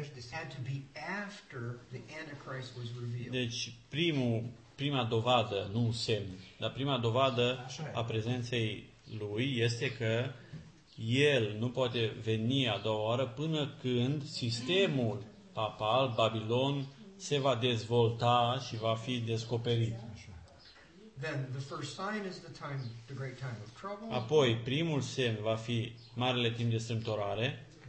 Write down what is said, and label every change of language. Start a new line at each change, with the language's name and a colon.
English: Had to be after the Antichrist was revealed.
Romanian: Deci prima dovadă, nu un semn, dar prima dovadă a prezenței lui este că el nu poate veni a doua oară până când sistemul papal, Babilon, se va dezvolta și va fi descoperit.
English: Then the first sign is the great time of trouble.
Romanian: Apoi primul semn va fi marele timp de strâmtorare.